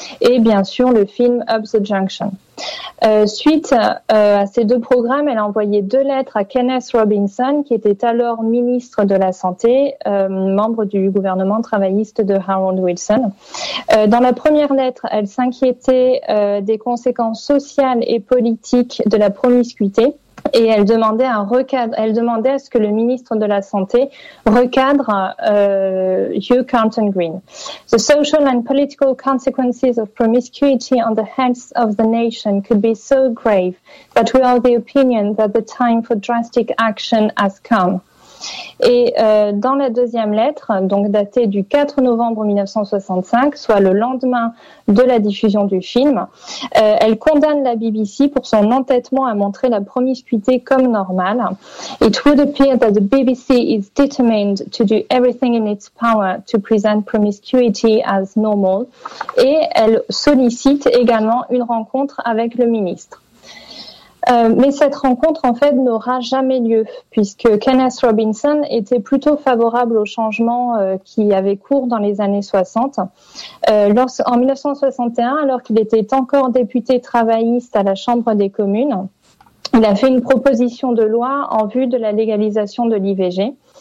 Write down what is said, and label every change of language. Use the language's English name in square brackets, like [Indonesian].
[French] Et bien sûr, le film Up the Junction. Suite à ces deux programmes, elle a envoyé deux lettres à Kenneth Robinson, qui était alors ministre de la Santé, membre du gouvernement travailliste de Harold Wilson. Dans la première lettre, elle s'inquiétait des conséquences sociales et politiques de la promiscuité. Et elle demandait à ce que le ministre de la Santé recadre Hugh Carlton Green. [English] The social and political consequences of promiscuity on the health of the nation could be so grave that we are of the opinion that the time for drastic action has come. [French] Et dans la deuxième lettre, donc datée du 4 novembre 1965, soit le lendemain de la diffusion du film, elle condamne la BBC pour son entêtement à montrer la promiscuité comme normale. [English] It would appear that the BBC is determined to do everything in its power to present promiscuity as normal. [French] Et elle sollicite également une rencontre avec le ministre. Mais cette rencontre, en fait, n'aura jamais lieu, puisque Kenneth Robinson était plutôt favorable au changement qui avait cours dans les années 60. En 1961, alors qu'il était encore député travailliste à la Chambre des communes, il a fait une proposition de loi en vue de la légalisation de l'IVG.